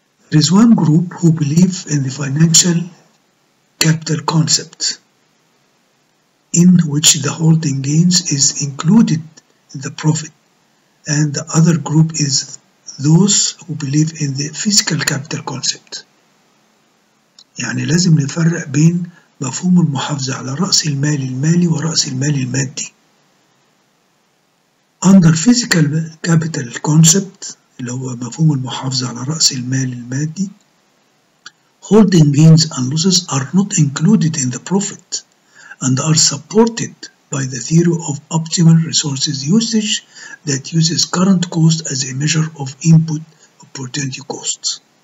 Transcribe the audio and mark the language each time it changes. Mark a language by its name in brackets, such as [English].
[English] There is one group who believe in the financial capital concept, in which the holding gains is included in the profit, and the other group is those who believe in the physical capital concept. [Arabic] يعني لازم نفرق بين مفهوم المحافظة على رأس المال المالي ورأس المال المادي. [English] Under physical capital concept, [Arabic] اللي هو مفهوم المحافظة على رأس المال المادي, [English] holding gains and losses are not included in the profit and are supported by the theory of optimal resources usage that uses current cost as a measure of input opportunity costs.